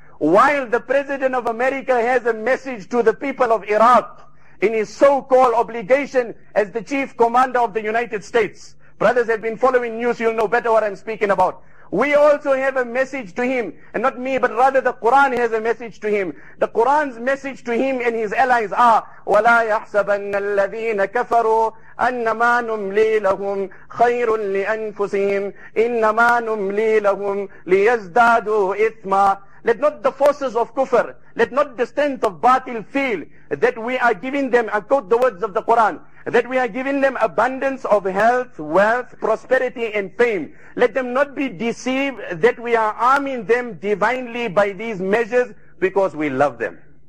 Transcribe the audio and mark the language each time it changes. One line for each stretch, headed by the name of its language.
English: While the President of America has a message to the people of Iraq in his so-called obligation as the Chief Commander of the United States. Brothers have been following news, you'll know better what I'm speaking about. We also have a message to him, and not me, but rather the Quran has a message to him. The Quran's message to him and his allies are,
Arabic: وَلَا يَحْسَبَنَّ الَّذِينَ كَفَرُوا أَنَّمَا نُمْلِي لَهُمْ خَيْرٌ لِأَنفُسِهِمْ إِنَّمَا نُمْلِي لَهُمْ لِيَزْدَادُوا إِثْمًا.
English: Let not the forces of kufr, let not the strength of batil feel that we are giving them, I quote the words of the Quran, that we are giving them abundance of health, wealth, prosperity and fame. Let them not be deceived that we are arming them divinely by these measures because we love them.